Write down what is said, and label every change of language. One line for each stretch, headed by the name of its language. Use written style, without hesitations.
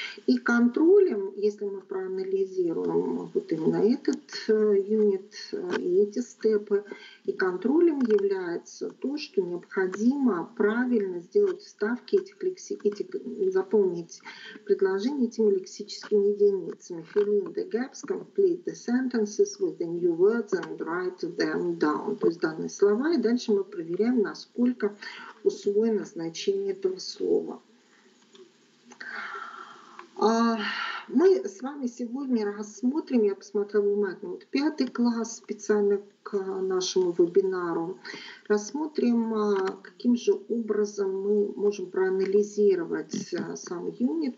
Russian: И контролем, если мы проанализируем вот именно этот юнит и эти степы, и контролем является то, что необходимо правильно сделать вставки заполнить предложение этими лексическими единицами.
English: Fill in the gaps, complete the sentences with the new words and write them down.
Russian: То есть данные слова, и дальше мы проверяем, насколько усвоено значение этого слова. Мы с вами сегодня рассмотрим, я посмотрела внимательно, вот 5 класс специально к нашему вебинару, рассмотрим, каким же образом мы можем проанализировать сам юнит.